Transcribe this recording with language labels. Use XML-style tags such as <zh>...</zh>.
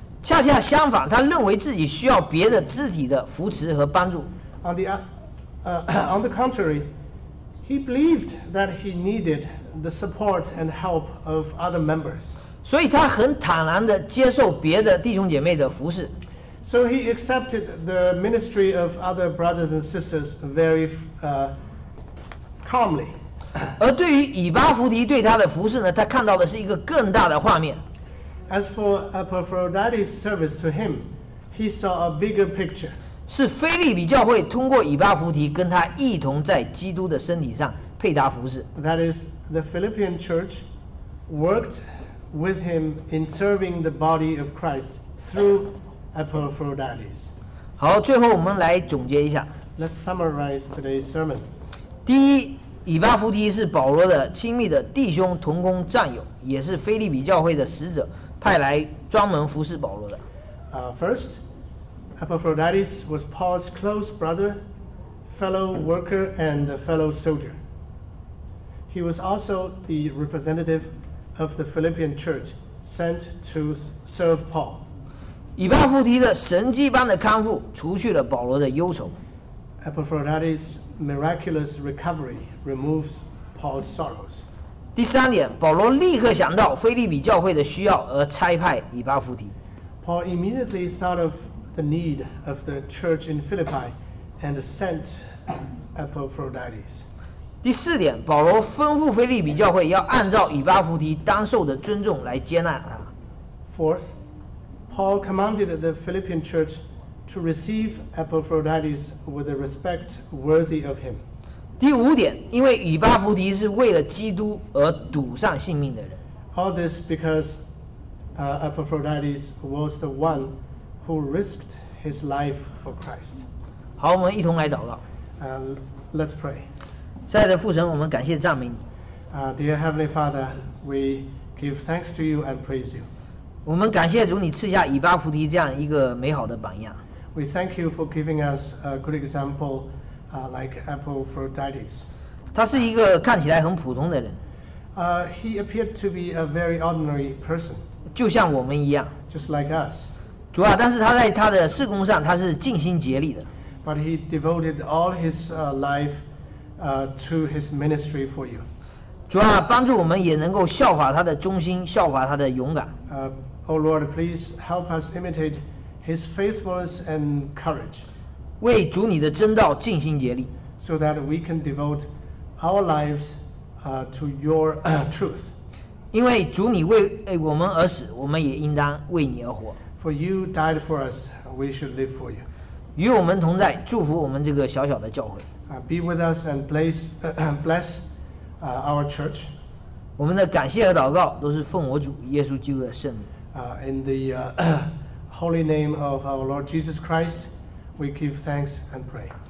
<zh>恰恰相反，他认为自己需要别的肢体的扶持和帮助。</zh> <en>On the contrary, he believed that he needed the support and help of other members.</en> <zh>所以他很坦然地接受别的弟兄姐妹的服侍。</zh> <en>So he accepted the ministry of other brothers and sisters very calmly.</en> <zh>而对于以巴弗提对他的服侍呢，他看到的是一个更大的画面。</zh> <en>As for Epaphroditus' service to him, he saw a bigger picture.</en> <zh>是腓立比教会通过以巴弗提跟他一同在基督的身体上配搭服侍。</zh> <en>That is, the Philippian church worked. With him in serving the body of Christ through Epaphroditus.</en> <zh>好，最后我们来总结一下。</zh> <en>Let's summarize today's sermon.</en> <zh>第一，以巴弗提是保罗的亲密的弟兄、同工、战友，也是腓立比教会的使者，派来专门服侍保罗的。</zh> <en>First, Epaphroditus was Paul's close brother, fellow worker, and fellow soldier. He was also the representative. Of the Philippian church sent to serve Paul.</en> <zh>以巴弗提的神迹般的康复除去了保罗的忧愁。</zh> <en>Epaphroditus' miraculous recovery removes Paul's sorrows.</en> <zh>第三点，保罗立刻想到腓立比教会的需要而差派以巴弗提。</zh> <en>Paul immediately thought of the need of the church in Philippi and sent Epaphroditus.</en> <zh>第四点，保罗吩咐腓立比教会要按照以巴弗提当受的尊重来接纳他。</zh> <en>Fourth, Paul commanded the Philippian church to receive Epaphroditus with a respect worthy of him.</en> <zh>第五点，因为以巴弗迪是为了基督而赌上性命的人。</zh> <en>All this because Epaphroditus was the one who risked his life for Christ.</en> <zh>好，我们一同来祷告。</zh> <en>Let's pray.</en> <zh>亲爱的父神，我们感谢赞美你。</zh> <en>Dear Heavenly Father, we give thanks to you and praise you.</en> <zh>我们感谢主，你赐下以巴弗迪这样一个美好的榜样。</zh> <en>We thank you for giving us a good example, like Epaphroditus.</en> <zh>他是一个看起来很普通的人。</zh> <en>He appeared to be a very ordinary person.</en> <zh>就像我们一样。</zh> <en>Just like us.</en> <zh>主啊，但是他在他的事工上，他是尽心竭力的。</zh> <en>But he devoted all his life, to his ministry for you.</en> <zh>主啊，帮助我们也能够效法他的忠心，效法他的勇敢。</zh> <en>Oh Lord, please help us imitate his faithfulness and courage.</en> <zh>为主你的真道尽心竭力。</zh> <en>So that we can devote our lives, to your truth.</en> <zh>因为主你为我们而死，我们也应当为你而活。</zh> <en>For you died for us, we should live for you.</en> <zh>与我们同在，祝福我们这个小小的教会。</zh> <en>Be with us and bless, bless. Our church.</en> <zh>我们的感谢和祷告都是奉我主耶稣基督的圣名。</zh> <en>In the holy name of our Lord Jesus Christ, we give thanks and pray.</en>